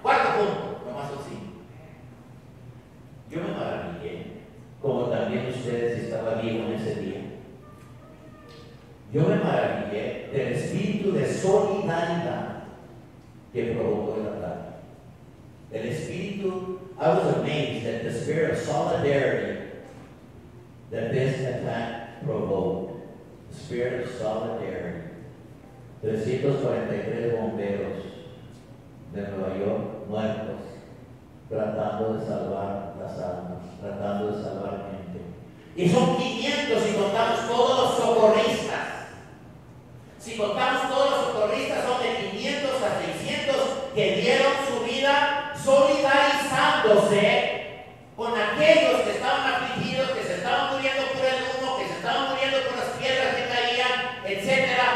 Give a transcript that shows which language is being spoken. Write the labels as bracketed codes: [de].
[es] Cuarto punto, nomás así. Yo me maravillé, como también ustedes estaban vivos en ese día. Yo me maravillé del espíritu de solidaridad que provocó el ataque. El espíritu, [en] I was amazed at the spirit of solidarity that this attack provoked. The spirit of solidarity. [es] 343 bomberos de Nueva York muertos, tratando de salvar las almas, tratando de salvar gente. Y son 500 si contamos todos los socorristas. Si contamos todos los socorristas, son de 500 a 600 que dieron su vida solidarizándose con aquellos que estaban afligidos, que se estaban muriendo por el humo, que se estaban muriendo por las piedras que caían, etc.